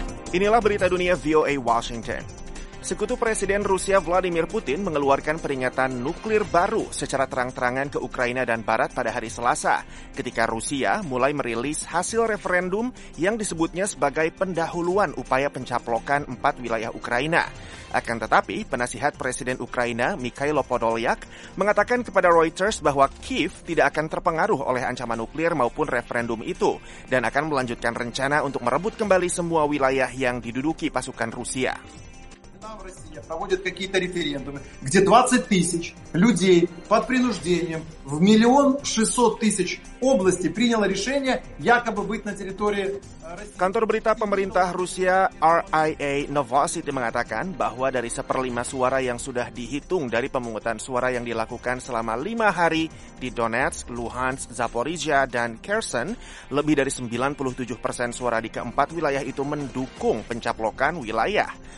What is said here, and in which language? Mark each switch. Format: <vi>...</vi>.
<id>Inilah berita dunia VOA Washington. Sekutu Presiden Rusia Vladimir Putin mengeluarkan peringatan nuklir baru secara terang-terangan ke Ukraina dan Barat pada hari Selasa, ketika Rusia mulai merilis hasil referendum yang disebutnya sebagai pendahuluan upaya pencaplokan 4 wilayah Ukraina. Akan tetapi, penasihat Presiden Ukraina Mykhailo Podolyak mengatakan kepada Reuters bahwa Kyiv tidak akan terpengaruh oleh ancaman nuklir maupun referendum itu, dan akan melanjutkan rencana untuk merebut kembali semua wilayah yang diduduki pasukan Rusia.</id> <ru>Россия проводит какие-то референдумы, где 20 тысяч людей под принуждением в 1,6 млн области приняло решение якобы быть на территории.</ru> <id>Kantor berita pemerintah Rusia RIA Novosti mengatakan bahwa dari 1/5 suara yang sudah dihitung dari pemungutan suara yang dilakukan selama 5 hari di Donetsk, Luhansk, Zaporizhia, dan Kherson, lebih dari 97% suara di keempat wilayah itu mendukung pencaplokan wilayah.</id>